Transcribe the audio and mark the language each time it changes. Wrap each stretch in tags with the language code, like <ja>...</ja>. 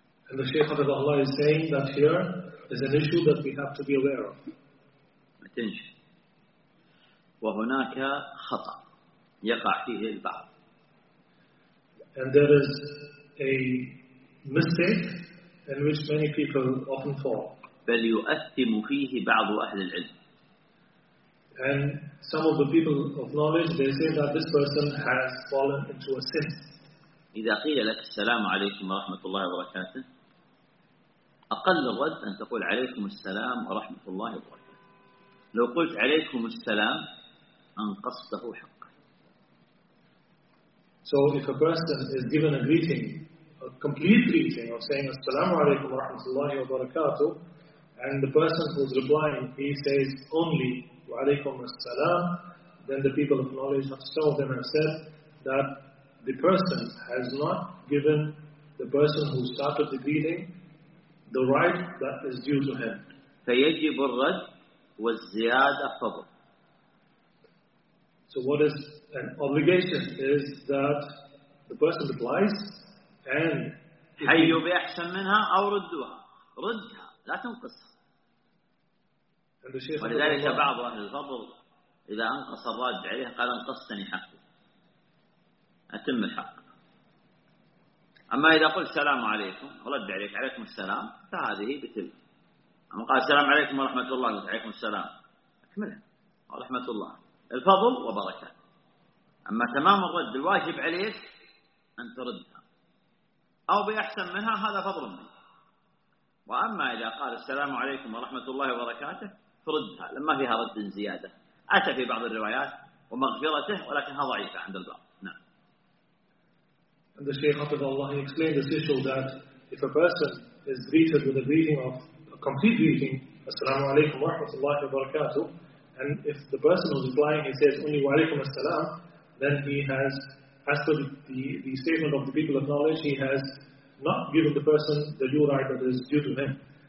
<en>And the Shaykh of Allah is saying that here is an issue that we have to be aware of. Attention.</en> <ar>وهناك خطأ يقع فيه البعض.</ar> <en>And there is a mistake in which many people often fall.</en> <ar>بل يؤثم فيه بعض أهل العلم.</ar> <en>And some of the people of knowledge, they say that this person has fallen into a sin.</en> <ar>إذا قيل لك السلام عليكم ورحمة الله وبركاته، أقل رد أن تقول عليكم السلام ورحمة الله وبركاته. لو قلت عليكم السلام أنقصته حقا.</ar> <en>So if a person is given a greeting, a complete greeting of saying assalamu alaikum warahmatullahi wabarakatuh, and the person who is replying, he says only wa alaikum assalam, then the people of knowledge, some of them have said that the person has not given the person who started the greeting the right that is due to him.</en> <ar>فيجب الرد والزيادة فضل.</ar> <en>So what is an obligation is that the person replies and</en> <ar>حيوا بأحسن منها أو ردوها، ردها لا تنقصها. ولذلك بعض أهل الفضل إذا أنقص الراجع عليه قال أنقصني حقي أتم الحق. أما إذا قلت السلام عليكم ورد عليك عليكم السلام فهذه بتل. أما قال السلام عليكم ورحمة الله عليكم السلام أكمله ورحمة الله الفضل وبركة. أما تمام الرد الواجب عليك أن تردها أو بأحسن منها هذا فضل منك. وأما إذا قال السلام عليكم ورحمة الله وبركاته فردها لما فيها رد زيادة. أتى في بعض الروايات ومغفرته ولكنها ضعيفة عند البعض.</ar> <en>And the Shaykh of Allah, he explained this issue that if a person is greeted with a greeting of a complete greeting, Assalamu alaikum wa rahmatullahi wa barakatuh, and if the person who's replying he says only wa alaikum assalam, then he has, as per the statement of the people of knowledge, he has not given the person the due right that is due to him.</en>